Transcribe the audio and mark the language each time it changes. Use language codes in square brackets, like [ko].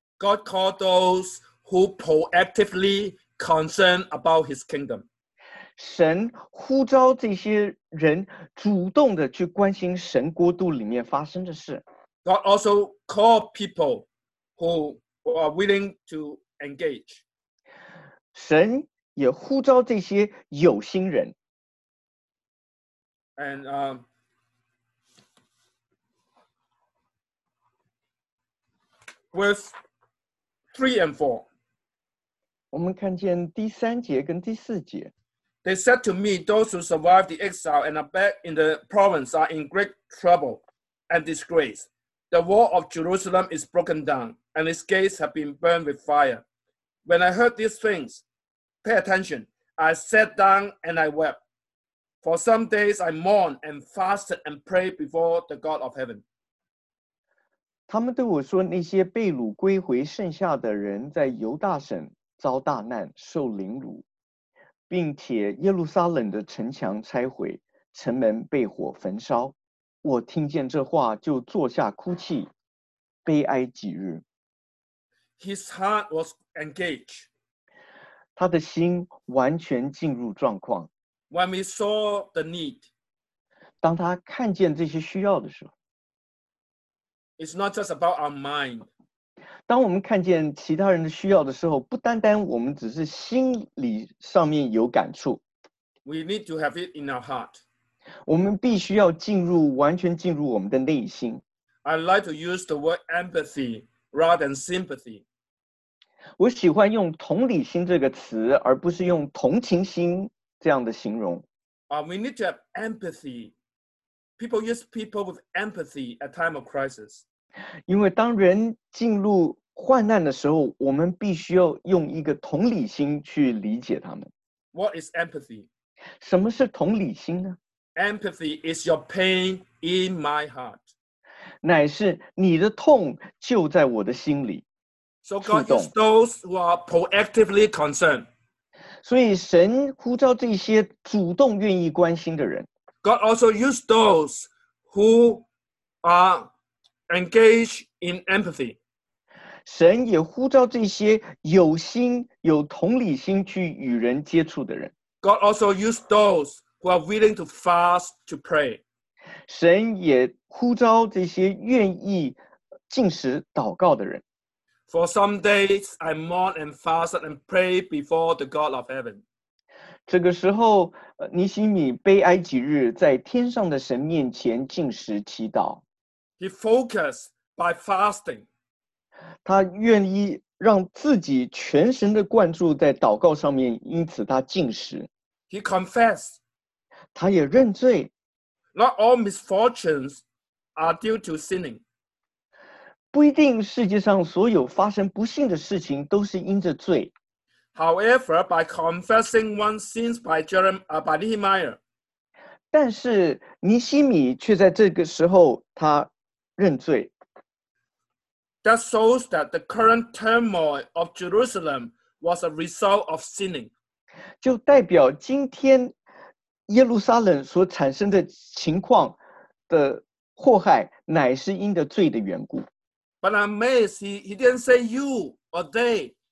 [en] God called those who proactively concern about His kingdom. [zh] 神呼召这些人主动的去关心神国度里面发生的事。 [en] God also called people who are willing to engage. [zh] 神也呼召这些有心人。 [en] And verse 3 and 4. [zh] 我们看见第三节跟第四节。 [en] They said to me, "Those who survived the exile and are back in the province are in great trouble and disgrace. The wall of Jerusalem is broken down, and its gates have been burned with fire." When I heard these things, pay attention. I sat down and I wept. For some days I mourned and fasted and prayed before the God of heaven. [zh] 他们对我说，那些被掳归回剩下的人在犹大省遭大难，受凌辱，并且耶路撒冷的城墙拆毁，城门被火焚烧。我听见这话就坐下哭泣，悲哀几日。 [en] His heart was engaged. [zh] 他的心完全进入状况。 [en] When we saw the need, [zh] 当他看见这些需要的时候， [en] it's not just about our mind. [zh] 当我们看见其他人的需要的时候，不单单我们只是心里上面有感触， [en] we need to have it in our heart. [zh] 我们必须要进入，完全进入我们的内心。 [en] I like to use the word empathy rather than sympathy. [zh] 我喜欢用同理心这个词，而不是用同情心。这样的形容。 [en] We need to have empathy. People use people with empathy at time of crisis. [zh] 因为当人进入患难的时候，我们必须要用一个同理心去理解他们。 [en] What is empathy? [zh] 什么是同理心呢？ [en] Empathy is your pain in my heart. [zh] 乃是你的痛就在我的心里。 [en] So God is those who are proactively concerned. [zh] 所以神呼召这些主动愿意关心的人。 [en] God also used those who are engaged in empathy. [zh] 神也呼召这些有心、有同理心去与人接触的人。 [en] God also used those who are willing to fast to pray. [zh] 神也呼召这些愿意禁食祷告的人。 [en] For some days, I mourned and fasted and prayed before the God of heaven. [zh] 这个时候，尼希米悲哀几日，在天上的神面前禁食祈祷。 [en] He focused by fasting. [zh] 他愿意让自己全神的灌注在祷告上面，因此他禁食。 [en] He confessed. [zh] 他也认罪。 [en] Not all misfortunes are due to sinning. [zh] 不一定世界上所有发生不幸的事情都是因着罪。 [en] However, by confessing one's sins by Nehemiah, [zh] 但是尼希米却在这个时候他认罪。 [en] That shows that the current turmoil of Jerusalem was a result of sinning. [zh] 就代表今天耶路撒冷所产生的情况的祸害乃是因着罪的缘故。 [en] But I'm amazed, he didn't say you or they.